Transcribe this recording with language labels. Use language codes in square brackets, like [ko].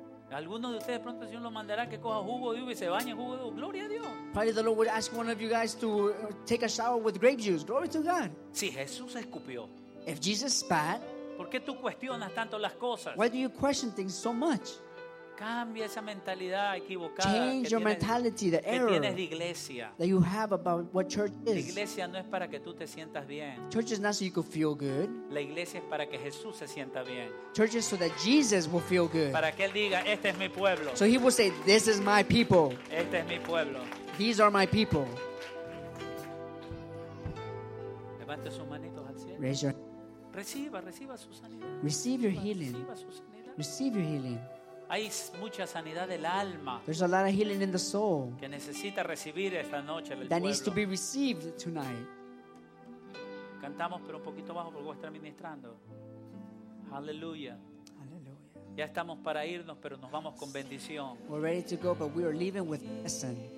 [es] Algunos de ustedes pronto Dios lo mandará que coja jugo de uva y se bañe jugo de uva. Gloria a Dios. [en] Probably the Lord would ask one of you guys to take a shower with grape juice. Glory to God. [es] Si Jesús escupió. [en] If Jesus spat. [es] ¿Por qué tú cuestionas tanto las cosas? [en] Why do you question things so much? [es] Cambia esa mentalidad equivocada. [en] Change your mentality, the error [es] que tienes de iglesia. [en] That you have about what church is. [es] La iglesia no es para que tú te sientas bien. [en] Church is not so you could feel good. [es] La iglesia es para que Jesús se sienta bien. [en] Church is so that Jesus will feel good. [es] Para que él diga, este es mi pueblo. [en] So he will say, this is my people. [es] Este es mi pueblo. [en] These are my people. [es] Levante sus manitos al cielo. [en] Raise your... [es] Reciba su sanidad. [en] Receive your healing. Receive your healing. [es] Hay mucha sanidad del alma. [en] There's a lot of healing in the soul. [es] Que necesita recibir esta noche el [en] that [es] pueblo. [en] Needs to be received tonight. [es] Cantamos, pero un poquito bajo porque voy a estar ministrando. Aleluya. Aleluya. Ya estamos para irnos, pero nos vamos con bendición. [en] We're ready to go, but we are leaving with blessing.